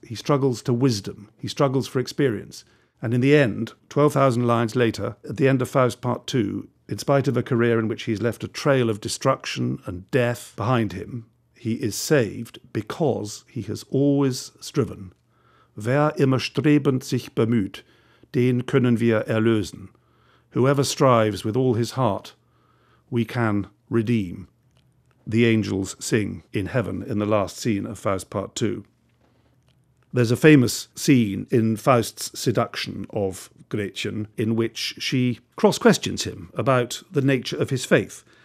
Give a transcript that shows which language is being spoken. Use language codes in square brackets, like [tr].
[en] He struggles to wisdom. He struggles for experience. And in the end, 12,000 lines later, at the end of Faust Part Two, in spite of a career in which he's left a trail of destruction and death behind him, he is saved because he has always striven. [de] Wer immer strebend sich bemüht, den können wir erlösen. [en] Whoever strives with all his heart, we can redeem. The angels sing in heaven in the last scene of Faust Part Two. There's a famous scene in Faust's seduction of Gretchen in which she cross-questions him about the nature of his faith.